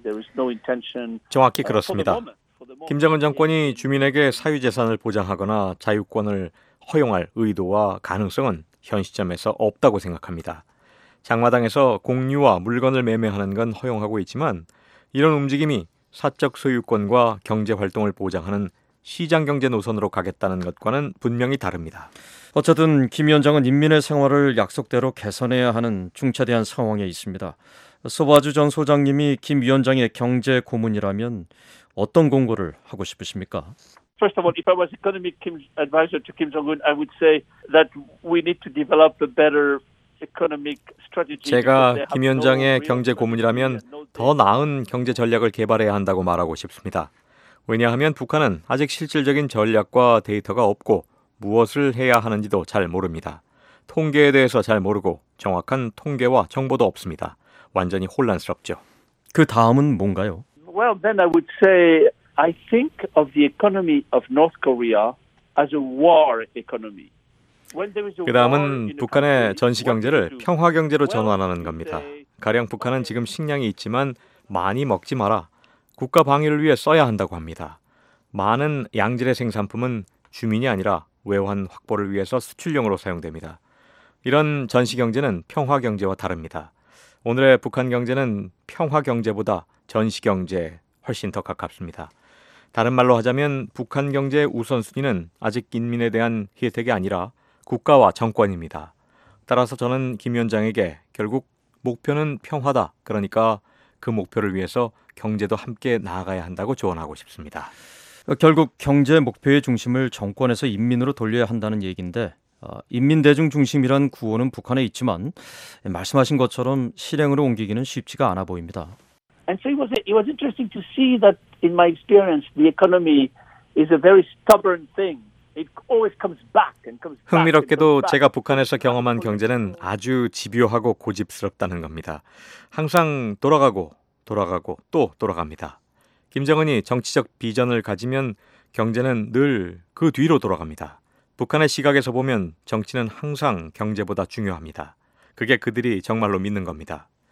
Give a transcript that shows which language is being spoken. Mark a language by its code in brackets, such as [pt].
[en] There is no intention. [ko] 정확히 그렇습니다. 김정은 정권이 주민에게 사유재산을 보장하거나 자유권을 허용할 의도와 가능성은 현 시점에서 없다고 생각합니다. 장마당에서 공유와 물건을 매매하는 건 허용하고 있지만 이런 움직임이 사적 소유권과 경제활동을 보장하는 시장경제 노선으로 가겠다는 것과는 분명히 다릅니다. 어쨌든 김 위원장은 인민의 생활을 약속대로 개선해야 하는 중차대한 상황에 있습니다. 소바주 전 소장님이 김 위원장의 경제 고문이라면 어떤 공고를 하고 싶으십니까? [en] First of all, if I was economic advisor to Kim Jong-un, I would say that we need to develop a better economic strategy. [ko] 제가 김 위원장의 경제 고문이라면 더 나은 경제 전략을 개발해야 한다고 말하고 싶습니다. 왜냐하면 북한은 아직 실질적인 전략과 데이터가 없고 무엇을 해야 하는지도 잘 모릅니다. 통계에 대해서 잘 모르고 정확한 통계와 정보도 없습니다. 완전히 혼란스럽죠. 그 다음은 뭔가요? [en] Well, then I would say I think of the economy of North Korea as a war economy. [ko] 그 다음은 북한의 전시 경제를 평화 경제로 전환하는 겁니다. 가령 북한은 지금 식량이 있지만 많이 먹지 마라. 국가 방위를 위해 써야 한다고 합니다. 많은 양질의 생산품은 주민이 아니라 외환 확보를 위해서 수출용으로 사용됩니다. 이런 전시 경제는 평화 경제와 다릅니다. 오늘의 북한 경제는 평화 경제보다 전시 경제에 훨씬 더 가깝습니다. 다른 말로 하자면 북한 경제의 우선순위는 아직 인민에 대한 혜택이 아니라 국가와 정권입니다. 따라서 저는 김 위원장에게 결국 목표는 평화다. 그러니까 그 목표를 위해서 경제도 함께 나아가야 한다고 조언하고 싶습니다. 결국 경제 목표의 중심을 정권에서 인민으로 돌려야 한다는 얘기인데 인민대중 중심이란 구호는 북한에 있지만 말씀하신 것처럼 실행으로 옮기기는 쉽지가 않아 보입니다. [en] And so it was interesting to see that in my experience the economy is a very stubborn thing. It always comes back and comes back. [ko] 흥미롭게도 제가 북한에서 경험한 경제는 아주 집요하고 고집스럽다는 겁니다. 항상 돌아가고 돌아가고 또 돌아갑니다. 김정은이 정치적 비전을 가지면 경제는 늘 그 뒤로 돌아갑니다. 북한의 시각에서 보면 정치는 항상 경제보다 중요합니다. 그게 그들이 정말로 믿는 겁니다.